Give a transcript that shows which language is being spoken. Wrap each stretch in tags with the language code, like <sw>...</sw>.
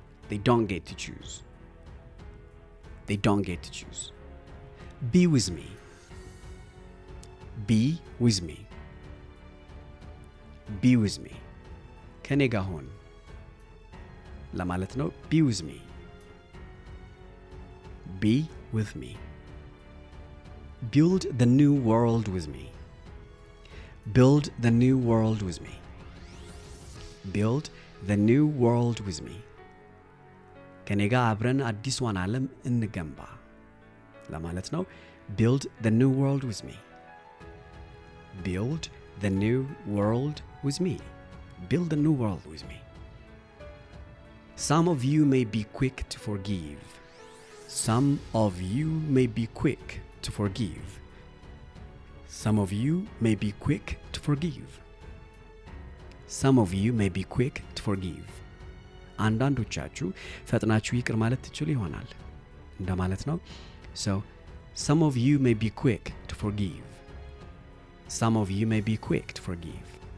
<en>They don't get to choose. They don't get to choose. Be with me. Be with me. Be with me.</en> <am>ከኔ ጋር ሁን ለማለት ነው.</am> <en>Be with me. be with me. Build the new world with me. Build the new world with me. Build the new world with me.</en> <am>ከነጋ አብረን አዲስዋን ዓለም እንገንባ ለማለት ነው.</am> <en>Build the new world with me. Build the new world with me. Build the new world with me. Some of you may be quick to forgive. Some of you may be quick to forgive. Some of you may be quick to forgive. Some of you may be quick to forgive.</en> <am>አንዳንዶቻችሁ ፈጥናችሁ ይቅር ማለት ትችሉ ይሆናል እንደማለት ነው.</am> <en>So some of you may be quick to forgive. Some of you may be quick to forgive.</en>